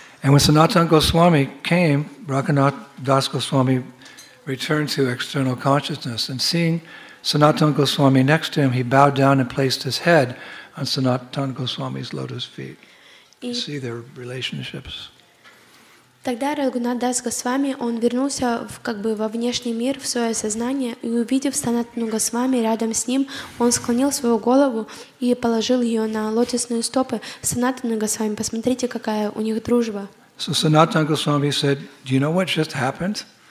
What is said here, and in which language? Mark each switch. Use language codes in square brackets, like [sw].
[en] And when Sanatana Goswami came, Rakhanath Das Goswami returned to external consciousness, and seeing Sanatana Goswami next to him, he bowed down and placed his head on Sanatana Goswami's lotus feet. You see their relationships. [ru] Тогда Рагунат Дас Госвами он вернулся в как бы во внешний мир, в свое сознание, и увидев Санатану Госвами рядом с ним, он склонил свою голову и положил ее на лотосные стопы Санатана Госвами. Посмотрите, какая у них дружба. [en] So Sanatana Goswami said, "Do you know what just happened?"